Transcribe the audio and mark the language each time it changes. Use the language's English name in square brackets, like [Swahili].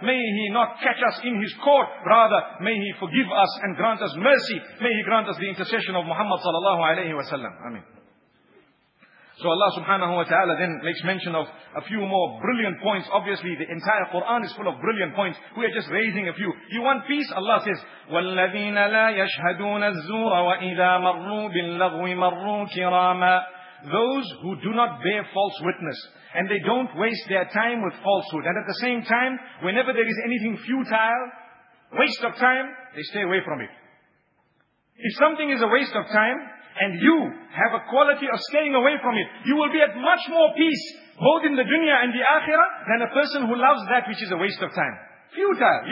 [English] May He not catch us in His court, rather may He forgive us and grant us mercy. May He grant us the intercession of Muhammad sallallahu alayhi wa sallam. Ameen. So Allah subhanahu wa ta'ala then makes mention of a few more brilliant points. Obviously the entire Quran is full of brilliant points. We are just raising a few. You want peace? Allah says, [Arabic] وَالَّذِينَ لَا يَشْهَدُونَ الزُّورَ وَإِذَا مَرُّوا بِاللَّغْوِ مَرُّوا كِرَامًا. [English] Those who do not bear false witness and they don't waste their time with falsehood. And at the same time, whenever there is anything futile, waste of time, they stay away from it. If something is a waste of time, and you have a quality of staying away from it, you will be at much more peace, both in the dunya and the akhirah, than a person who loves that which is a waste of time. Futile.